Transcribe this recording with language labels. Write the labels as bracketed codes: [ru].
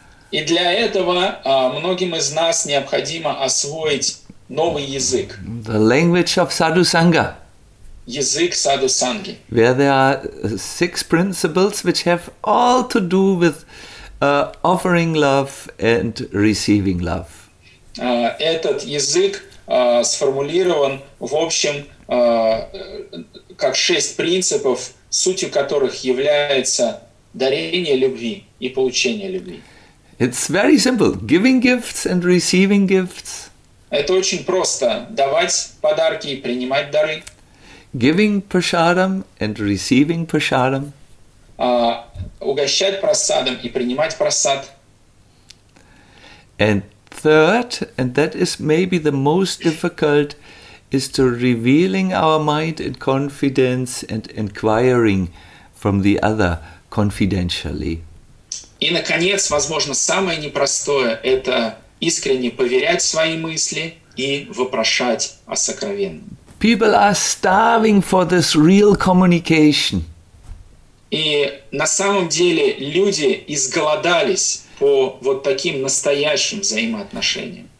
[ru] И для этого многим из нас необходимо освоить новый язык. [en] The language of Sadhu Sangha. [ru] Язык Sadhu Sanghi. [en] Where there are six principles which have all to do with offering love and receiving love. [ru] Этот язык сформулирован в общем как шесть принципов, сутью которых является дарение любви и получение любви. [en] It's very simple. Giving gifts and receiving gifts. [ru] Это очень просто. Давать подарки и принимать дары. [en] Giving prasadam and receiving prasadam. [ru] Угощать прасадом и принимать прасад. [en] And third, and that is maybe the most difficult, is to revealing our mind in confidence and inquiring from the other confidentially. [ru] И, наконец, возможно, самое непростое – это искренне поверять свои мысли и вопрошать о сокровенном. [en] People are starving for this real communication. [ru] И на самом деле люди изголодались по вот таким настоящим взаимоотношениям.